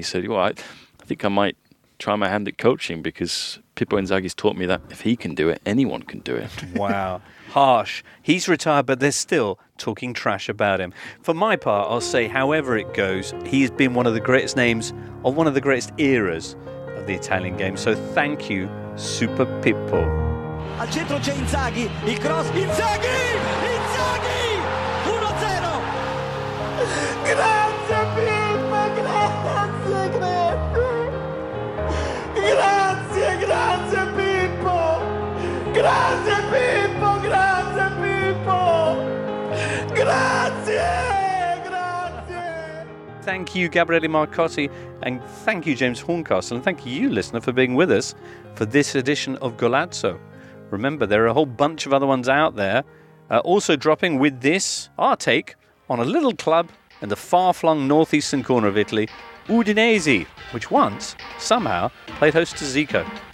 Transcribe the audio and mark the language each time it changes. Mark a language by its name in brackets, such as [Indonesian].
[English] And he said, well, I think I might try my hand at coaching because Pippo Inzaghi's taught me that if he can do it, anyone can do it. Wow. Harsh. He's retired, but they're still talking trash about him. For my part, I'll say, however it goes, he's been one of the greatest names of one of the greatest eras of the Italian game. So thank you, Super Pippo. [Italian] Al centro c'è Inzaghi, il cross, Inzaghi! Inzaghi! 1-0! Grazie Pippo, grazie, grazie! Grazie, grazie Pippo! Grazie Pippo, grazie Pippo! Grazie, grazie! [English] Thank you, Gabriele Marcotti, and thank you, James Horncastle, and thank you, listener, for being with us for this edition of Golazzo. Remember, there are a whole bunch of other ones out there, also dropping with this, our take, on a little club in the far-flung northeastern corner of Italy, Udinese, which once, somehow, played host to Zico.